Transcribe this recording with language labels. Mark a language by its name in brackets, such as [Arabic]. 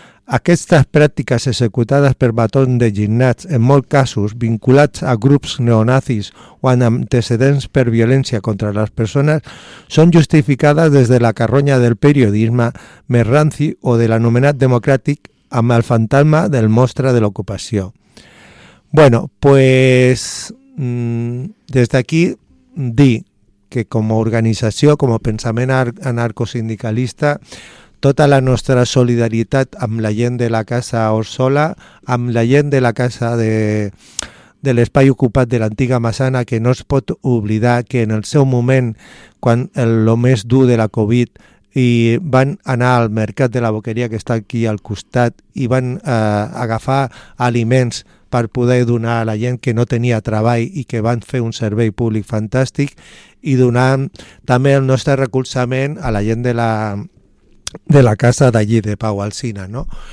[Catalan] Aquestes pràctiques executades per matons de gimnats, en molts casos vinculats a grups neonazis o amb antecedents per violència contra les persones, són justificades des de la carronya del periodisme més ranci o de l'anomenat democràtic amb el fantasma del monstre de l'ocupació. [Spanish] Bueno, pues desde aquí di que, como organización, como pensamiento anarcosindicalista, [Catalan] tota la nostra solidaritat amb la gent de la casa Orsola, amb la gent de la casa de l'espai ocupat de l'antiga Massana, que no es pot oblidar que en el seu moment, quan el més dur de la Covid, i van anar al mercat de la Boqueria, que està aquí al costat, i van agafar aliments per poder donar a la gent que no tenia treball i que van fer un servei públic fantàstic, i donant també el nostre recolzament a la gent de la casa d'allí, de Pau Alsina, no?